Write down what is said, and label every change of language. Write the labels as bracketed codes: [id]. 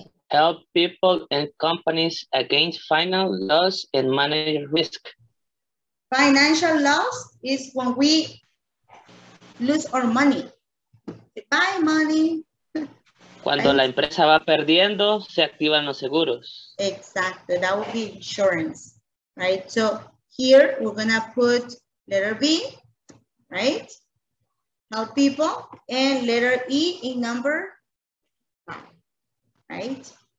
[en] Help people and companies against financial loss and manage risk. Financial loss is when we lose our money. Buy money. [es] Cuando la empresa va perdiendo, se activan los seguros. [en] Exacto, that would be insurance, right? So here we're gonna put letter B, right? Help people, and letter E in number five, right?